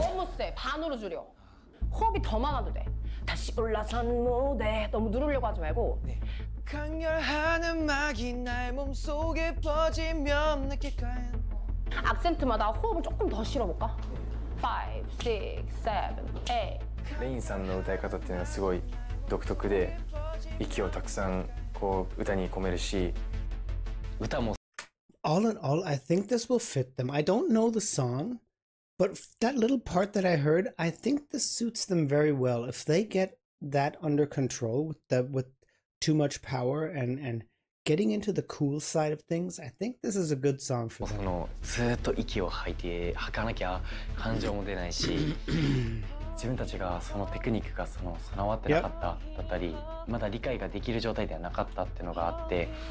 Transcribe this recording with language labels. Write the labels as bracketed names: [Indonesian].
[Korean] 너무 세. 반으로 줄여. 호흡이 더 많아도 돼. 다시 올라선 무대. 너무 누르려고 하지 말고. 네. 강렬한 음악이 날 몸속에 퍼지면 느낄까요? 악센트마다 호흡을 조금 더 실어볼까? 5, 6, 7, 8. [Japanese] レインさんの歌い方っていうのはすごい独特で息をたくさんこう歌に込めるし歌も [English] All in all, I think this will fit them. I don't know the song, but that little part that I heard, I think this suits them very well. If they get that under control with too much power and getting into the cool side of things, I think this is a good song for them. [Japanese] ずっと息を吐いて吐かなきゃ感情も出ないし 自分たちがそのテクニックが備わってなかっただったり yep. まだ理解ができる状態ではなかったっていうのがあって